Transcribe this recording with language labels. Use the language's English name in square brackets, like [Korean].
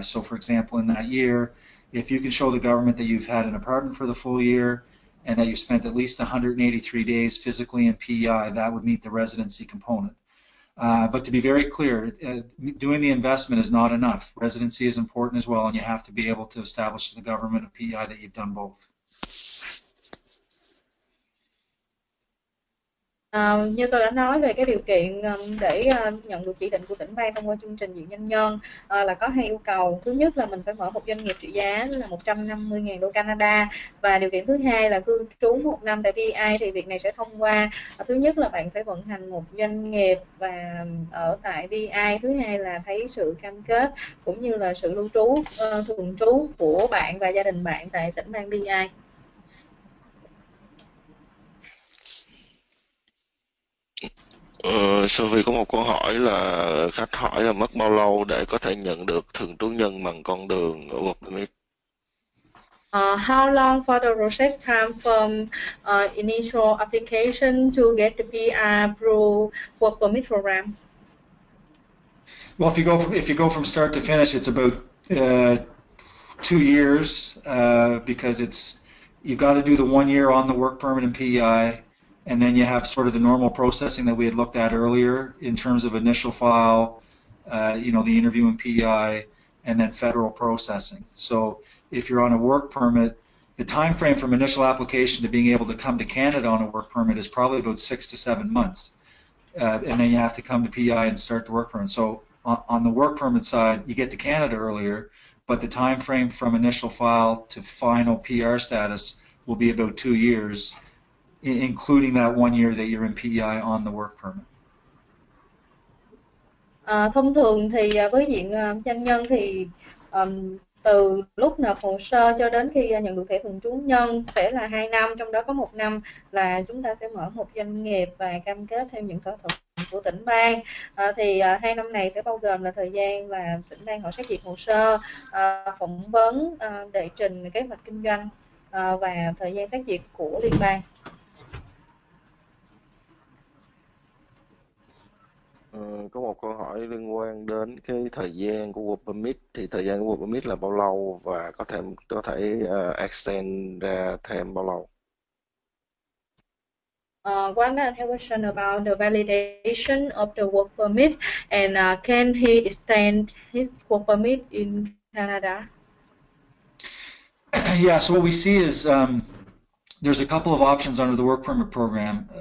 [English] So, for example, in that year, if you can show the government that you've had an apartment for the full year and that you've spent at least 183 days physically in PEI, that would meet the residency component. But to be very clear, doing the investment is not enough. Residency is important as well, and you have to be able to establish to the government of PEI that you've done both. [Vietnamese] Như tôi đã nói về cái điều kiện để nhận được chỉ định của tỉnh bang thông qua chương trình diễn nhanh nhân là có hai yêu cầu. Thứ nhất là mình phải mở một doanh nghiệp trị giá là 150.000 đô Canada, và điều kiện thứ hai là cư trú một năm tại PEI. Thì việc này sẽ thông qua thứ nhất là bạn phải vận hành một doanh nghiệp và ở tại PEI, thứ hai là thấy sự cam kết cũng như là sự lưu trú thường trú của bạn và gia đình bạn tại tỉnh bang PEI. Sophie có một câu hỏi là khách hỏi là mất bao lâu để có thể nhận được thường trú nhân bằng con đường work permit. [English] How long for the process time from initial application to get the PR through work permit program? Well, if you go from start to finish, it's about 2 years because it's you've got to do the 1 year on the work permit and PEI. And then you have sort of the normal processing that we had looked at earlier in terms of initial file, you know, the interview and PEI, and then federal processing. So if you're on a work permit, the time frame from initial application to being able to come to Canada on a work permit is probably about 6 to 7 months. And then you have to come to PEI and start the work permit. So on the work permit side, you get to Canada earlier, but the time frame from initial file to final PR status will be about 2 years. Including that 1 year that you're in PEI on the work permit. [Vietnamese] Thông thường thì với diện doanh nhân thì từ lúc nộp hồ sơ cho đến khi nhận được thẻ thường trú nhân sẽ là 2 năm, trong đó có 1 năm là chúng ta sẽ mở một doanh nghiệp và cam kết theo những thỏa thuận của tỉnh bang. Thì 2 năm này sẽ bao gồm là thời gian là tỉnh bang họ xét duyệt hồ sơ, phỏng vấn, đệ trình kế hoạch kinh doanh và thời gian xét duyệt của liên bang. Có một câu hỏi liên quan đến cái thời gian của work permit, thì thời gian của work permit là bao lâu và có thể extend ra thêm bao lâu? [English] One have a question about the validation of the work permit and can he extend his work permit in Canada? Yeah, so what we see is there's a couple of options under the work permit program.